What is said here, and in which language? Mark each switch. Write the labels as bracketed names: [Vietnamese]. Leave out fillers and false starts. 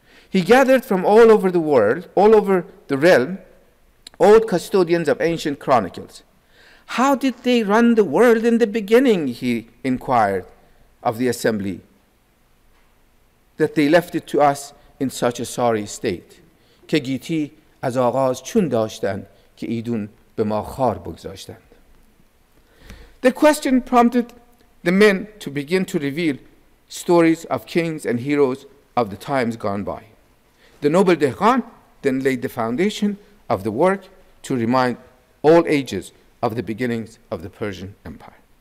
[English] He gathered from all over the world, all over the realm, old custodians of ancient chronicles. How did they run the world in the beginning, he inquired of the assembly, that they left it to us in such a sorry state? [Persian] که گیتی از آغاز چون داشتند که ایدون به ما خار بگذاشتند. [English] The question prompted the men to begin to reveal stories of kings and heroes of the times gone by. The noble dehqan then laid the foundation of the work to remind all ages of the beginnings of the Persian Empire.